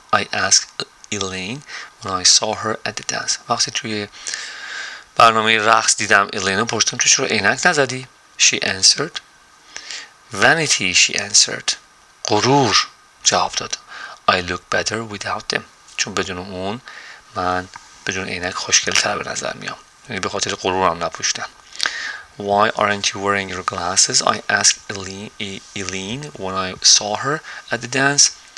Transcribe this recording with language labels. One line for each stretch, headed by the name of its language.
English: I asked Elaine when I saw her at the dance.
Persian: وقتی توی برنامه رقص دیدم ایلینو پرسیدم تو چرا عینک نزدی؟
English: She answered. Vanity, she answered.
Persian: غرور, جواب داد.
English: I look better without them.
Persian: چون بدون اون من بدون عینک خوشگل تر به نظر میام. یعنی به خاطر غرورم نپوشتم.
English: Why aren't you wearing your glasses? I asked Elaine when I saw her at the dance.